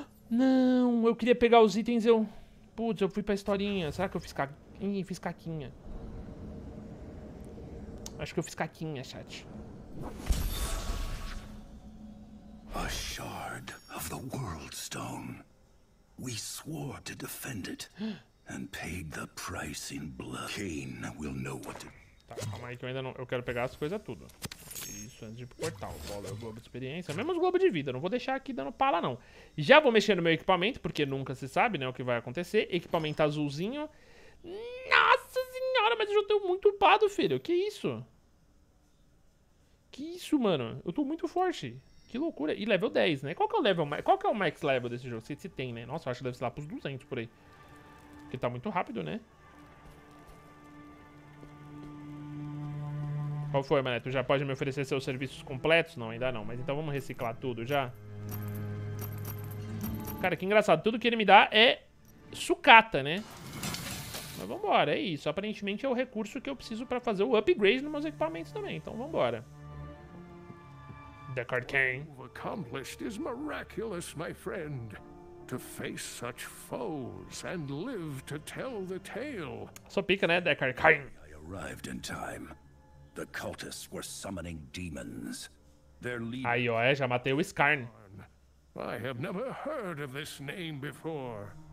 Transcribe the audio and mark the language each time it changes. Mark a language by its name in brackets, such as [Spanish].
[Portuguese] Não, eu queria pegar os itens, eu... Putz, eu fui pra historinha. Será que eu fiz caquinha? Ih, fiz caquinha. Acho que eu fiz caquinha, chat. [English] A shard of the world stone. We swore to defend it and paid the price in blood. Cain will know what to... [Portuguese] Tá, calma aí que eu ainda não... Eu quero pegar as coisas tudo. Isso, antes de ir pro portal. Bola, o globo de experiência. Mesmo os globos de vida. Não vou deixar aqui dando pala, não. Já vou mexer no meu equipamento, porque nunca se sabe, né, o que vai acontecer. Equipamento azulzinho. Nossa senhora, mas eu já tô muito upado, filho. Que isso? Que isso, mano? Eu tô muito forte. Que loucura. E level 10, né? Qual que é o level... Qual que é o max level desse jogo? Se tem, né? Nossa, eu acho que deve ser lá pros 200 por aí. Porque tá muito rápido, né? Qual foi, mané? Tu já pode me oferecer seus serviços completos? Não, ainda não. Mas então vamos reciclar tudo já. Cara, que engraçado. Tudo que ele me dá é sucata, né? Mas vambora, é isso. Aparentemente é o recurso que eu preciso pra fazer o upgrade nos meus equipamentos também. Então vambora. Deckard Cain. O que você acabou é maravilhoso, meu amigo. [English] To face such foes and live to tell the tale. [Portuguese] Só pica, né, Deckard Cain? [English] I arrived in time. The cultists were summoning demons. Their leader... [Portuguese] Aí, ó, é, já matei o Skarn. [English] I have never heard of this name before.